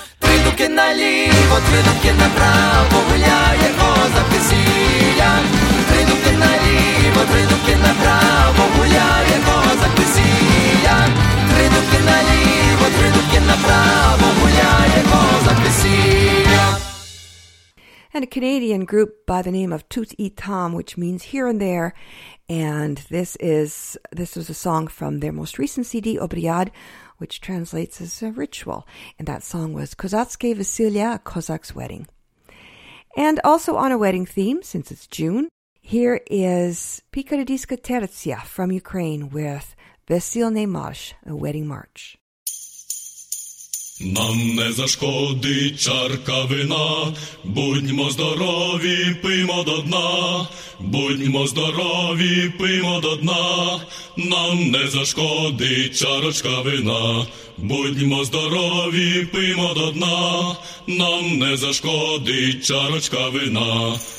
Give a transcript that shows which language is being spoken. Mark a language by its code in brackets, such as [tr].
[uk] Три дубки наліво, три дубки направо, гуляє козак весілля. Три дубки наліво, три дубки направо, гуляє козак весілля. Три дубки наліво, три дубки направо, гуляє козак весілля. [en] And a Canadian group by the name of Tout E Tam, which means here and there. And this was a song from their most recent CD, Obriad, which translates as a ritual. And that song was Kozatske Vasilya, a Kozak's wedding. And also on a wedding theme, since it's June, here is Pikaridiska Tertsia from Ukraine with Vesilne Marsh, a wedding march. [uk] Нам не зашкодить чарка вина, будьмо здорові, пиймо до дна, будьмо здорові, пиймо до дна, нам не зашкодить чарочка вина, будьмо здорові, пиймо до дна, нам не зашкодить чарочка вина.